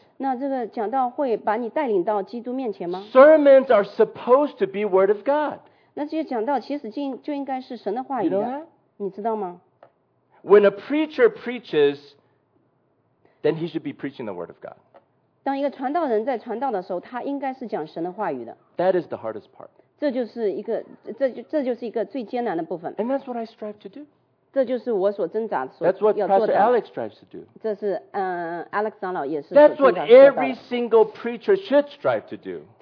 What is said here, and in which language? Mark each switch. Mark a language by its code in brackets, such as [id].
[zh] 那这个讲道会把你带领到基督面前吗? [en] Sermons are supposed to be word of God. [zh] 那这些讲道其实就应该是神的话语的。 [en] You know that? [zh] 你知道吗? [en] When a preacher preaches, then he should be preaching the word of God. [zh] 当一个传道人在传道的时候，他应该是讲神的话语的。 [en] That is the hardest part. [zh] 这就是一个最艰难的部分。 [en] And that's what I strive to do. [zh] 这就是我所挣扎所要做的。 [en] That's what Pastor Alex strives to do. [zh] 这是Alex长老也是。 [en] That's what every single preacher should strive to do.